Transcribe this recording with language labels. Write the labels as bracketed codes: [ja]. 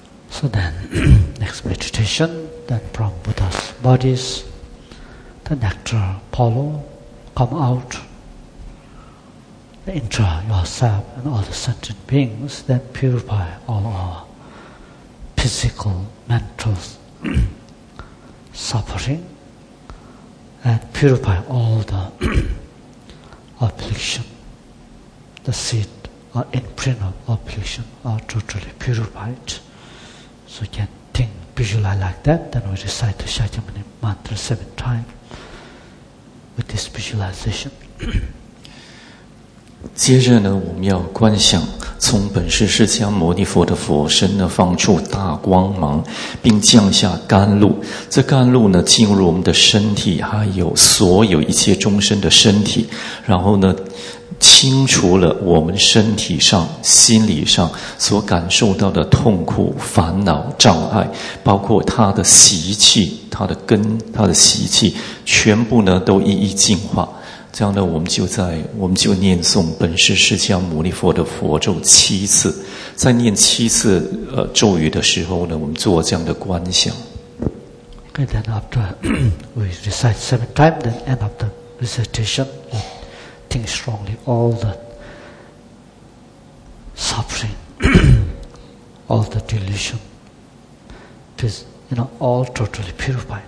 [en] So then, next meditation, then from Buddha's bodies, the nectar polo come out, enter yourself and all the sentient beings, then purify all our physical, mental suffering, and purify all the affliction, the seed or imprint of affliction are totally purified. So you can think, visualize like that, then we recite the Shakyamuni mantra 7 times with this visualization. [zh] 接着呢，我们要观想从本师释迦牟尼佛的佛身呢放出大光芒，并降下甘露。这甘露呢进入我们的身体，还有所有一切众生的身体，然后呢清除了我们身体上、心理上所感受到的痛苦、烦恼、障碍，包括他的习气、它的根、它的习气，全部呢都一一净化。这样呢，我们就念诵本师释迦牟尼佛的佛咒七次，在念七次咒语的时候呢，我们做这样的观想。 [en] And then after we recite seven times, then end of the recitation, we think strongly all the suffering, all the delusion, please, you know, all totally purified.